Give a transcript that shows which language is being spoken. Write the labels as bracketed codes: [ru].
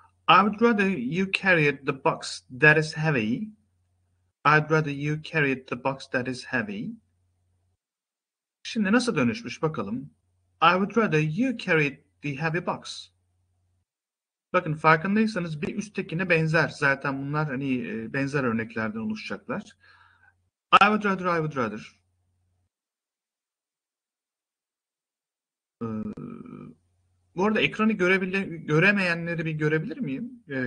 [en] I would rather you carried the box that is heavy. I'd rather you carried the box that is heavy. [tr] Şimdi nasıl dönüşmüş bakalım. [en] I would rather you carried the heavy box. [tr] Bakın farkındaysanız bir üsttekine benzer. Zaten bunlar hani benzer örneklerden oluşacaklar. [en] I would rather. [tr] Bu arada ekranı göremeyenleri bir görebilir miyim?